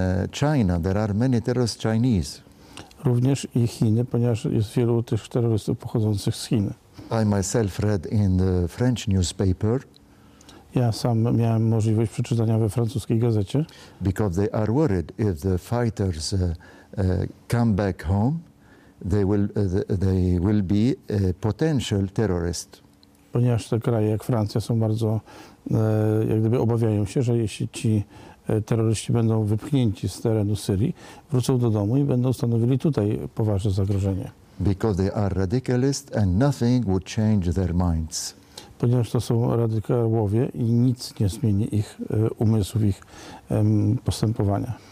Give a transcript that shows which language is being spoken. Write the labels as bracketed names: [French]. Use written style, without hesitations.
[English] China, there are many terrorists Chinese. [Polish] Również i Chiny, ponieważ jest wielu tych terrorystów pochodzących z Chin. [English] I myself read in the French newspaper. [Polish] Ja sam miałem możliwość przeczytania we francuskiej gazecie. [English] Because they are worried if the fighters come back home, they will be a potential terrorist. [Polish] Ponieważ te kraje jak Francja są bardzo, jak gdyby obawiają się, że jeśli ci terroryści będą wypchnięci z terenu Syrii, wrócą do domu i będą stanowili tutaj poważne zagrożenie. [English] Because they are radicalists and nothing would change their minds. [Polish] Ponieważ to są radykałowie i nic nie zmieni ich umysłów, ich postępowania.